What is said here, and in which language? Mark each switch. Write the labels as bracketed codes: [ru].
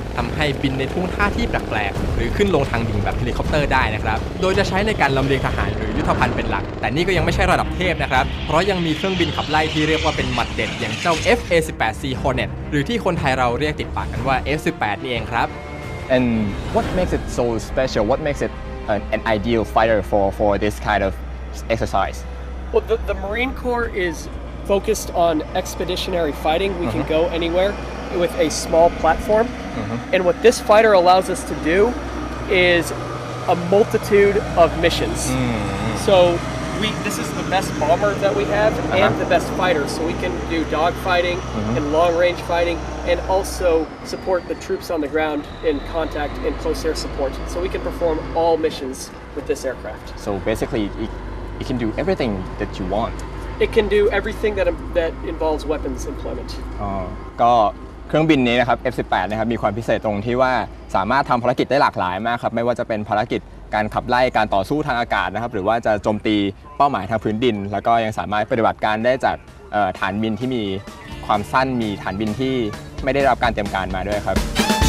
[th] ทำให้บินในทุ่งท่าที่แปลกๆหรือขึ้นลงทางดิ่งแบบเฮลิคอปเตอร์ได้นะครับโดยจะใช้ในการลำเลียงทหารหรือยุทธภัณฑ์เป็นหลักแต่นี่ก็ยังไม่ใช่ระดับเทพนะครับเพราะยังมีเครื่องบินขับไล่ที่เรียกว่าเป็นหมัดเด็ดอย่างเจ้า FA-18C Hornet หรือที่คนไทยเราเรียกติดปากกันว่า F-18 นี่เองครับ [en] And what makes it so special? What makes it an ideal fighter for this kind of exercise? Well, the Marine Corps is focused on expeditionary fighting. We can go anywhere. With a small platform, and what this fighter allows us to do is a multitude of missions. So this is the best bomber that we have, and the best fighter, so we can do dogfighting and long-range fighting, and also support the troops on the ground in contact and close air support. So we can perform all missions with this aircraft. So basically, it can do everything that you want. It can do everything that involves weapons employment. [th] ก็เครื่องบินนี้นะครับ F-18 นะครับมีความพิเศษตรงที่ว่า สามารถทำภารกิจได้หลากหลายมากครับไม่ว่าจะเป็นภารกิจการขับไล่การต่อสู้ทางอากาศนะครับหรือว่าจะโจมตีเป้าหมายทางพื้นดินแล้วก็ยังสามารถปฏิบัติการได้จากฐานบินที่มีความสั้นมีฐานบินที่ไม่ได้รับการเตรียมการมาด้วยครับ